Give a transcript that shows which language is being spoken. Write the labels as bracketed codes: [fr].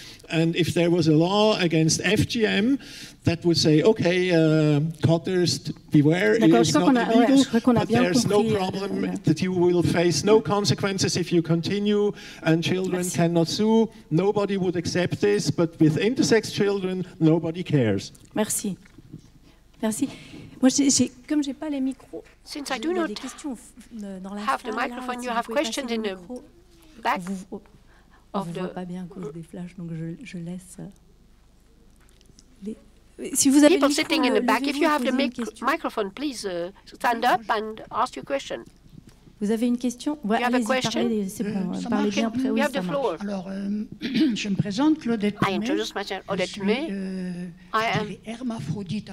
[en] And if there was a law against FGM, that would say, okay, cutters, beware, it's not illegal, but there's no problem, that you will face no consequences if you continue, and children cannot sue. Nobody would accept this, but with intersex children, nobody cares. [fr] Merci. Merci. Moi, comme j'ai pas les micros, [en] since I do not have the microphone, you have questions in the back. [fr] Vous voit pas bien à cause des flashs, donc je laisse. Si vous avez [en] people sitting in the back, if you have the microphone, please stand up and ask your question. [fr] Vous avez une question? [en] You have a question? We have the floor. [fr] Alors, je me présente, Claudette. [en] I introduce myself, Odette May. I am hermaphrodite.